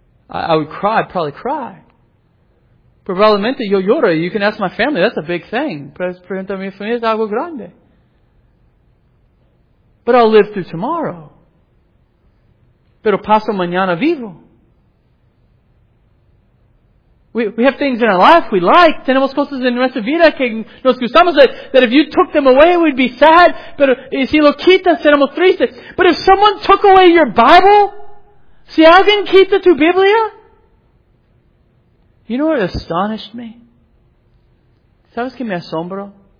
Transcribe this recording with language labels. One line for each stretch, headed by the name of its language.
English: I would cry, I'd probably cry.
Spanish: Probablemente yo lloro.
English: You can ask my family, that's a big thing.
Spanish: Pregunta a mi familia, es algo grande.
English: But I'll live through tomorrow.
Spanish: Pero paso mañana vivo.
English: We have things in our life we like.
Spanish: Tenemos cosas en nuestra vida que nos gustamos.
English: That if you took them away, we'd be sad.
Spanish: Pero si lo quitas, seremos tristes.
English: But if someone took away your Bible,
Spanish: si alguien quita tu Biblia,
English: you know what astonished me?
Spanish: ¿Sabes que me asombro?